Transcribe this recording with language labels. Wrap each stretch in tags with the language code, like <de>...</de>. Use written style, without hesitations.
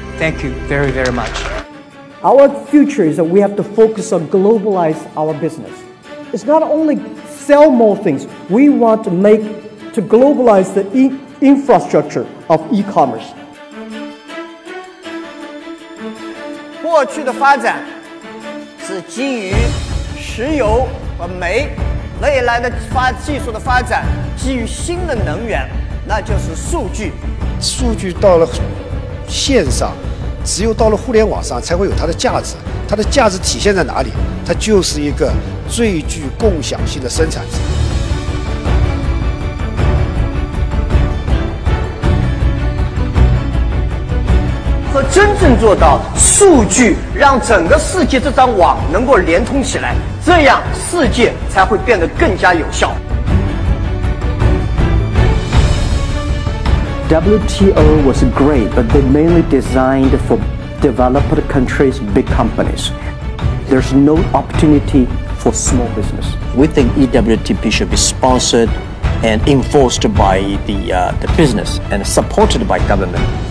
<en>Thank you very, very much. Our future is that we have to focus on globalize our business. It's not only sell more things. We want to make, to globalize the infrastructure of e-commerce.</en> <zh>过去的发展是基于石油和煤，未来的技术的发展基于新的能源，那就是数据。数据到了线上，只有到了互联网上才会有它的价值。它的价值体现在哪里？它就是一个最具共享性的生产值。和真正做到数据让整个世界这张网能够连通起来，这样世界才会变得更加有效。</zh> <en>WTO was great, but they mainly designed for developed countries, big companies. There's no opportunity for small business. We think EWTP should be sponsored and enforced by the business and supported by government.</en>